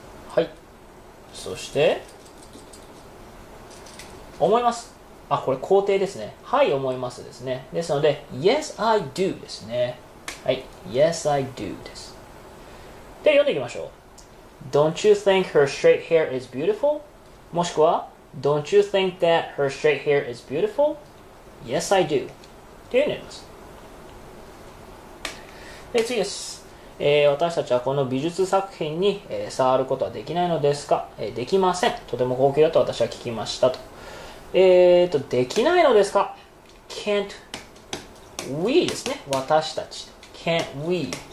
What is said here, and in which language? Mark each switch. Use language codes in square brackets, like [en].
[ja] はい。そして、思います。あ、これ肯定ですね。はい、思いますですね。ですので、Yes, I do ですね。はい。 [en] Yes, I do [ja] です。で、読んでいきましょう。 [en] Don't you think her straight hair is beautiful? [ja] もしくは、 [en] Don't you think that her straight hair is beautiful? Yes, I do。 [ja] というふうになります。で次です。私たちはこの美術作品に、触ることはできないのですか、できません。とても高級だと私は聞きましたと。できないのですか ?can't we ですね。私たち。can't we。